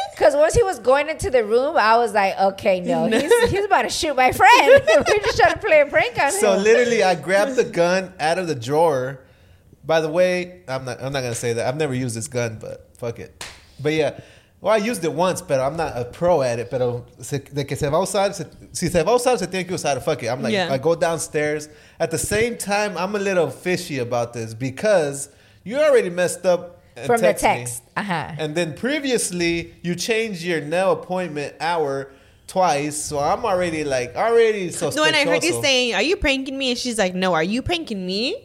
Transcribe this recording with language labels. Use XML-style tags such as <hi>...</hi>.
<en>Because once he was going into the room, I was like, okay, no. He's about to shoot my friend. We're just trying to play a prank on him. So literally, I grabbed the gun out of the drawer. By the way, I'm not going to say that. I've never used this gun, but fuck it. But yeah. Well, I used it once, but I'm not a pro at it.</en> <es>Pero de que se va a usar, si se va a usar, se tiene que usar.</es> <en>Fuck it. I'm like, yeah. I go downstairs. At the same time, I'm a little fishy about this because you already messed up and from text the text. Me. Uh-huh. And then previously, you changed your nail appointment hour twice. So I'm already like, already suspicious. No, and I heard you saying, are you pranking me? And she's like, no, are you pranking me?</en>